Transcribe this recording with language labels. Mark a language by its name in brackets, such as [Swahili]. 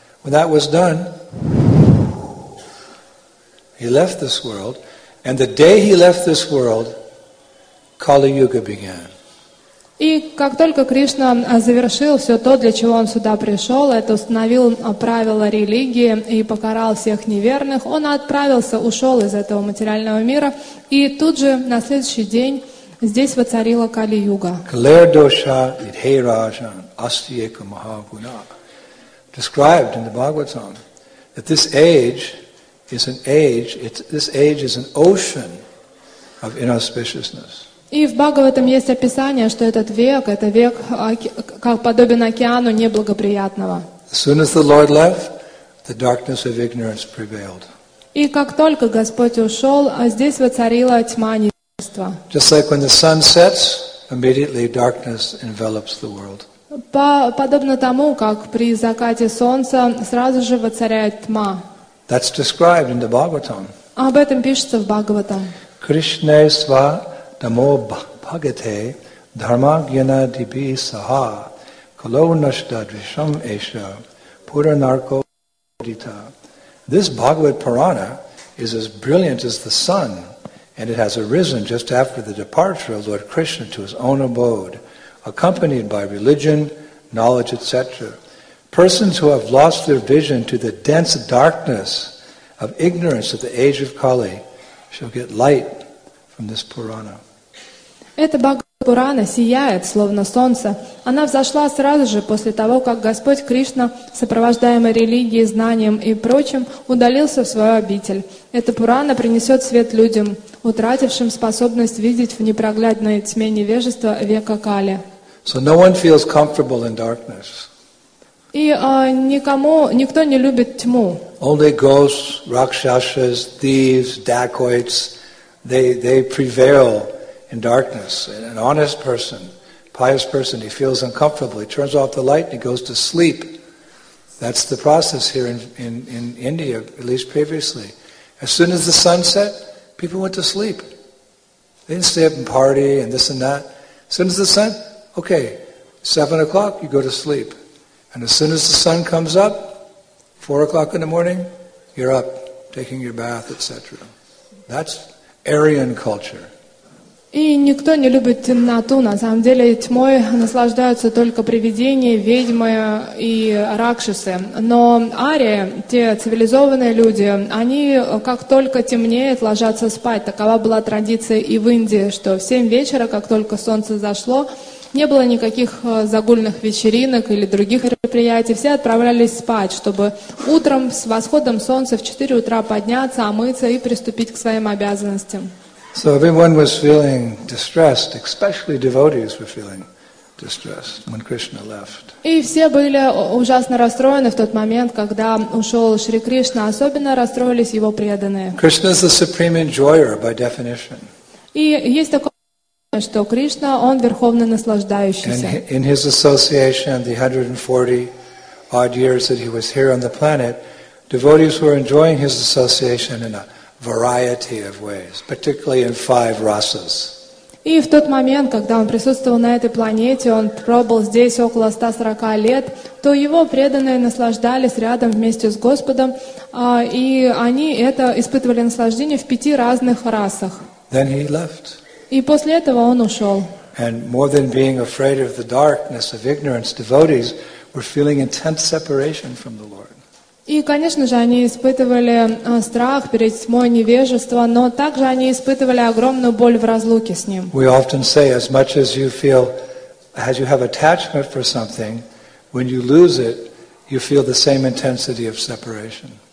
[English] When that was done, he left this world. And the day he left this world, Kali Yuga began. [Russian] И как только Кришна завершил все то, для чего он сюда пришел, это установил правила религии и покарал всех неверных, он отправился, ушел из этого материального мира, и тут же на следующий день здесь воцарила Кали-юга. [Sanskrit] Калердоша идхейража астиека махагуна [English] described in the Bhagavatam that this age is an ocean of inauspiciousness. [Russian] И в Бхагаватам есть описание, что этот век, это век, как подобен океану неблагоприятного. [English] As soon as the Lord left, the darkness of ignorance prevailed. [Russian] И как только Господь ушел, здесь воцарила тьма невежества. [English] Just like when the sun sets, immediately darkness envelops the world. [Russian] Подобно тому, как при закате солнца сразу же воцаряет тьма. [English] That's described in the Bhagavatam. [Russian] Об этом пишется в Бхагаватам. [Sanskrit] Кришне сва Дамо бхагате дхарма гьяна диби саха кало нашта дришам эша пура нарко дита. [English] This Bhagavad Purana is as brilliant as the sun, and it has arisen just after the departure of Lord Krishna to his own abode, accompanied by religion, knowledge, etc. Persons who have lost their vision to the dense darkness of ignorance at the age of Kali shall get light from this Purana. [Russian] Эта Бхагавад-пурана сияет, словно солнце. Она взошла сразу же после того, как Господь Кришна, сопровождаемый религией, знанием и прочим, удалился в свою обитель. Эта пурана принесет свет людям, утратившим способность видеть в непроглядной тьме невежества века Кали. [English] So no one feels comfortable in darkness. [Russian] И никто не любит тьму. [English] Only ghosts, rakshasas, thieves, dacoits, they prevail in darkness. An honest person, pious person, he feels uncomfortable, he turns off the light and he goes to sleep. That's the process here in India, at least previously. As soon as the sun set, people went to sleep. They didn't stay up and party and this and that. As soon as the sun, okay, 7 o'clock, you go to sleep. And as soon as the sun comes up, 4 o'clock in the morning, you're up, taking your bath, etc. That's Aryan culture. [Russian] И никто не любит темноту, на самом деле тьмой наслаждаются только привидения, ведьмы и ракшасы. Но арии, те цивилизованные люди, они как только темнеет, ложатся спать. Такова была традиция и в Индии, что в 7 вечера, как только солнце зашло, не было никаких загульных вечеринок или других мероприятий. Все отправлялись спать, чтобы утром с восходом солнца в 4 утра подняться, омыться и приступить к своим обязанностям. [English] So everyone was feeling distressed, especially devotees were feeling distressed when Krishna left. [Russian] И все были ужасно расстроены в тот момент, когда ушел Шри Кришна, особенно расстроились его преданные. [English] Krishna is the supreme enjoyer by definition. [Russian] И есть такое, что Кришна, он верховный наслаждающийся. [English] And in his association, the 140 odd years that he was here on the planet, devotees were enjoying his association in a variety of ways, particularly in five rasas. [Russian] И в тот момент, когда он присутствовал на этой планете, он пробыл здесь около 140 лет, то его преданные наслаждались рядом вместе с Господом, и они это испытывали наслаждение в 5 разных расах. [English] Then he left. [Russian] И после этого он ушел. [English] And more than being afraid of the darkness of ignorance, devotees were feeling intense separation from the Lord. [Russian] И, конечно же, они испытывали страх перед тьмой невежества, но также они испытывали огромную боль в разлуке с Ним. [English] We often say, as much as you feel, as you have attachment for something, when you lose it, you feel the same intensity of separation.